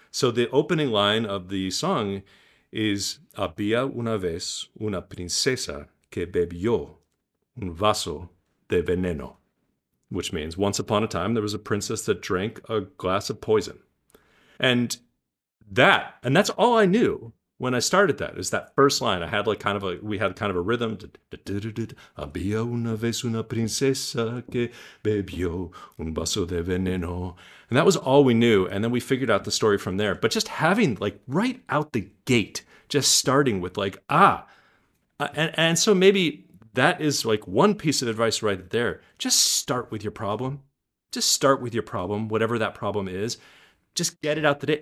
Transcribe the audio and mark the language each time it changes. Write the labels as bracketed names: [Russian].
[English] So the opening line of the song is, [Spanish] había una vez una princesa que bebió un vaso de veneno, [English] which means once upon a time, there was a princess that drank a glass of poison. And that's all I knew when I started that, is that first line. I had like kind of a, we had kind of a rhythm. [Spanish] Había una vez una princesa que bebió un vaso de veneno. [English] And that was all we knew. And then we figured out the story from there. But just having like right out the gate, just starting with like, and so maybe that is like one piece of advice right there. Just start with your problem. Just start with your problem, whatever that problem is. Just get it out the day.